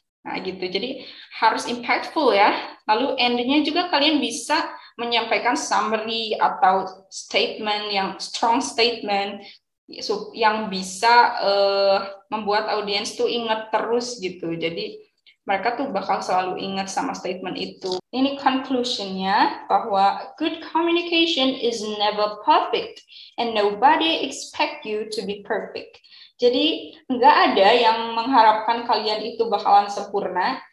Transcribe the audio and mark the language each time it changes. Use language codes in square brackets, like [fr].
[id] Nah gitu, jadi harus impactful ya. Lalu endnya juga kalian bisa menyampaikan summary atau statement, yang strong statement yang bisa membuat audiens tuh ingat terus gitu. Jadi mereka tuh bakal selalu ingat sama statement itu. Ini conclusion-nya, bahwa [en] good communication is never perfect and nobody expect you to be perfect. [id] Jadi, nggak ada yang mengharapkan kalian itu bakalan sempurna.